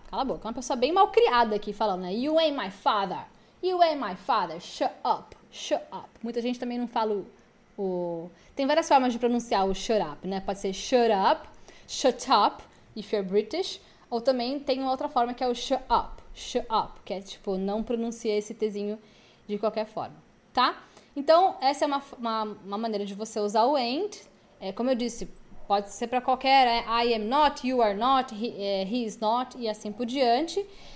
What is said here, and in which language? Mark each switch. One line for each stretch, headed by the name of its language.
Portuguese: Cala a boca. É uma pessoa bem mal criada aqui falando, né?
English: You ain't my father. You ain't my father. Shut up. Shut up.
Portuguese: Muita gente também não fala Tem várias formas de pronunciar o
English: shut up,
Portuguese: né? Pode ser
English: shut up, shut up, if you're British.
Portuguese: Ou também tem uma outra forma que é o
English: shut up. Shut up.
Portuguese: Que é tipo, não pronuncia esse tezinho de qualquer forma. Tá? Então, essa é uma maneira de você usar o ain't. Como eu disse, pode ser para qualquer.
English: I am not, you are not, he is not,
Portuguese: e assim por diante.